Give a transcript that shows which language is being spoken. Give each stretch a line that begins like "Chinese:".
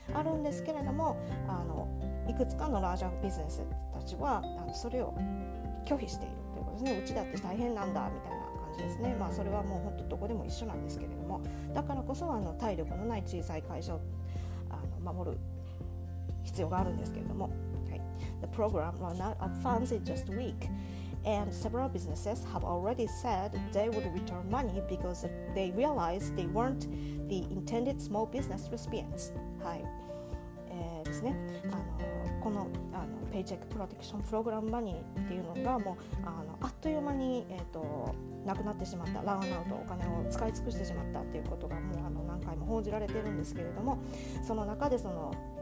Japanese: あるんですけれども、いくつかのラージャービジネスたちはそれを拒否しているということですね。うちだって大変なんだみたいな感じですね。まあそれはもう本当どこでも一緒なんですけれども、だからこそ体力のない小さい会社を守る必要があるんですけれども、はい、
English: The program ran out of funds in just a week and several businesses have already said they would return money because they realized they weren't the intended small business recipients。
Japanese: はい、ですね、このペイチェックプロテクションプログラムマニーっていうのがもうあっという間に、なくなってしまった、ランアウト、お金を使い尽くしてしまったっていうことがもう何回も報じられてるんですけれども、その中でその、